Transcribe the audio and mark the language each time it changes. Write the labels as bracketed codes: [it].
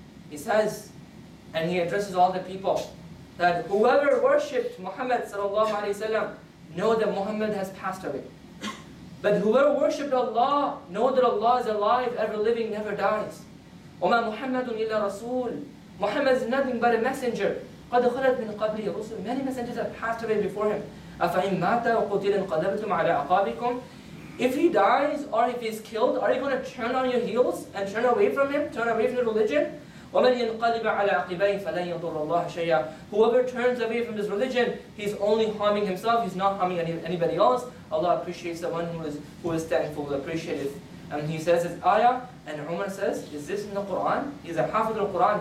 [en] He says, and he addresses all the people, that whoever worshipped Muhammad sallallahu alayhi wa sallam, know that Muhammad has passed away. But whoever worshipped Allah, know that Allah is alive, ever living, never dies. [ar] وما محمد إلا رسول. [en] Muhammad is nothing but a messenger. [ar] قد خلت من قبله رسل. [en] Many messengers have passed away before him. [ar] أفإن مات وقتل انقلبتم على أعقابكم. [en] If he dies or if he is killed, are you going to turn on your heels and turn away from him, turn away from the religion? [ar] وَمَنْ يَنْقَلِبَ عَلَىٰ عَقِبَيْهِ فَلَنْ يَضُرَ اللَّهَ شَيْئًا. [en] Whoever turns away from his religion, he's only harming himself, he's not harming anybody else. Allah appreciates the one who is thankful, appreciative. And he says his ayah, and Umar says, "Is this in the Qur'an?" He's a hafiz of the Qur'an.